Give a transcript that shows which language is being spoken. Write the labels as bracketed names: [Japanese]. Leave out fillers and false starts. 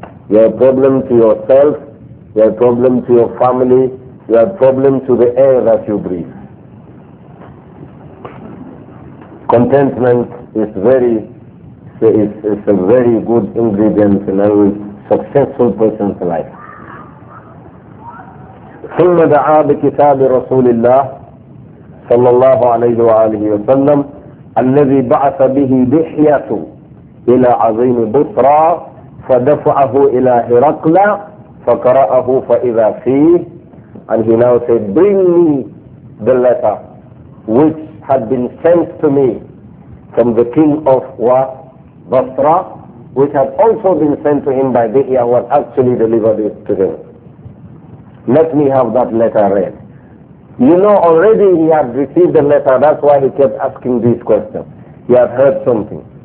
[English] You have a problem to yourself, you have a problem to your family, you have a problem to the air that you breathe. Contentment is is a very good ingredient in every successful person's life. [Arabic] ثم دعا بكتاب رسول الله صلى الله عليه وآله وسلم الذي بعث به دحيته إلى عظيم بصرى فدفعه إلى هرقل فقرأه فإذا فيه. [English] And he now said, bring me the letter which had been sent to me from the king of Basra, which had also been sent to him by Dihya, who had actually delivered it to him. Let me have that letter read. You know, already he had received the letter, that's why he kept asking these questions. He had heard something.